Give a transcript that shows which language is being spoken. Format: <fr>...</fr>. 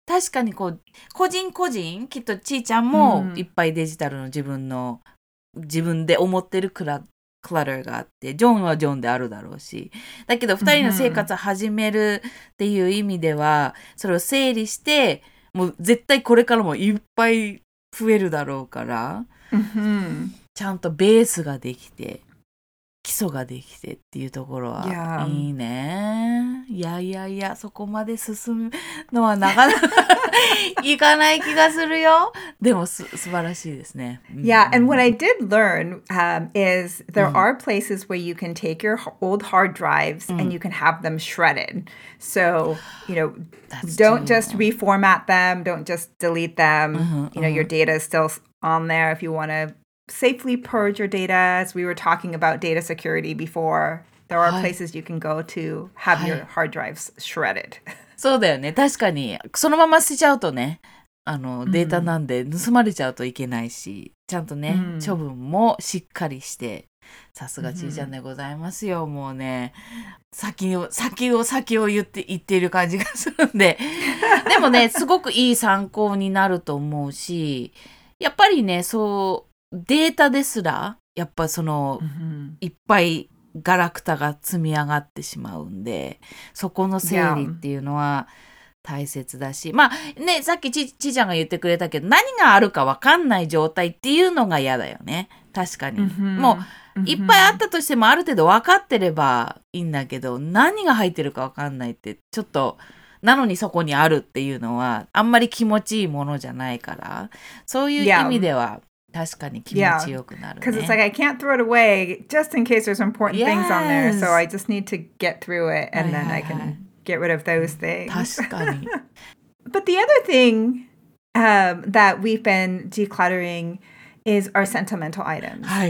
<ja>確かにこう、個人個人、きっとちーちゃんもいっぱいデジタルの自分で思ってるくらい、クラッターがあって、ジョンはジョンであるだろうし、だけど二人の生活を始めるっていう意味では、それを整理して、もう絶対これからもいっぱい増えるだろうから、ちゃんとベースができて、基礎ができてっていうところはいいね。いやいや、そこまで進むのはなかなかいかない気がするよ。でも素晴らしいですね。</ja> <en>Yeah, and what I did learn, is there are places where you can take your old hard drives and you can have them shredded. So, you know, don't just reformat them, don't just delete them. You know, your data is still on there if you want to safely purge your data. As we were talking about data security before, there are places you can go to have your hard drives shredded.</en> <ja>そうだよね。確かにそのまま捨てちゃうとね、あのデータなんで盗まれちゃうといけないし、ちゃんとね、処分もしっかりして、さすがちーちゃんでございますよ。もうね、先を言っている感じがするんで、でもね、すごくいい参考になると思うし、やっぱりね、そうデータですら、やっぱその、いっぱいガラクタが積み上がってしまうんで、そこの整理っていうのは大切だし、まあね、さっきちーちゃんが言ってくれたけど、何があるか分かんない状態っていうのが嫌だよね。確かに。もう、いっぱいあったとしてもある程度分かってればいいんだけど、何が入ってるか分かんないって、ちょっと、なのにそこにあるっていうのは、あんまり気持ちいいものじゃないから、そういう意味では、確かに気持ちよくなるね。</ja> <en>Because it's like I can't throw it away just in case there's important things on there. So I just need to get through it and then I can get rid of those things.</en> <ja>確かに。</ja> <en>But the other thing, that we've been decluttering is our sentimental items.</en>